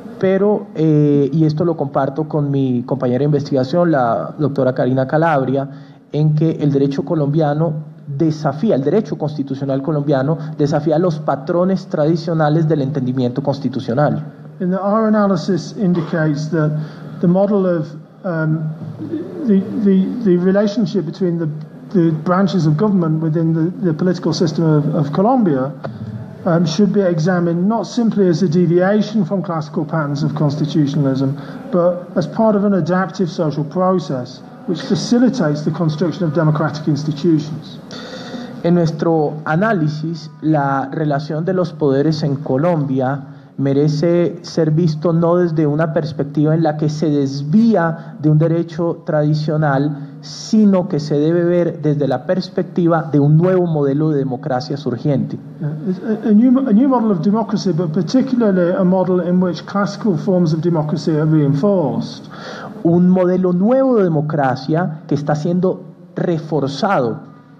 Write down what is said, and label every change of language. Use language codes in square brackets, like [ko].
[es] Pero, y esto lo comparto con mi compañera de investigación, la doctora Karina Calabria, en que el derecho colombiano desafía, el derecho constitucional colombiano desafía los patrones tradicionales del entendimiento constitucional. [en] And our analysis indicates that the model of the relationship between the branches of government within the political system of Colombia should be examined not simply as a deviation from classical patterns of constitutionalism, but as part of an adaptive social process which facilitates the construction of democratic institutions. [es] En nuestro análisis, la relación de los poderes en Colombia merece ser visto no desde una perspectiva en la que se desvía de un derecho tradicional, sino que se debe ver desde la perspectiva de un nuevo modelo de democracia surgiente. [en] A new model of democracy, but particularly a model in which classical forms of democracy are reinforced. [es] Un modelo nuevo de democracia que está siendo reforzado.